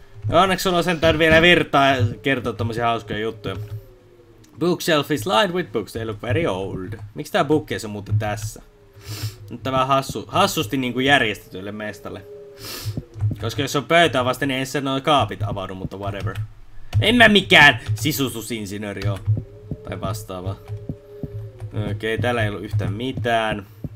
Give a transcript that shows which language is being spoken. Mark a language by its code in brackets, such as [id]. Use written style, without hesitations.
[fi] Onneksi sulla on sentään vielä virtaa kertoa tommosia hauskoja juttuja. [en] Bookshelf is lined with books, they look very old. [fi] Miksi tää bookcase on muuten tässä? Nyt tää vähän hassusti niinku järjestetylle mestalle. Koska jos on pöytää vasten, niin ei sen noin kaapit avaudu, mutta whatever. En mä mikään sisustusinsinööri oo. Tai vastaava. Okei, täällä ei ollut yhtään mitään.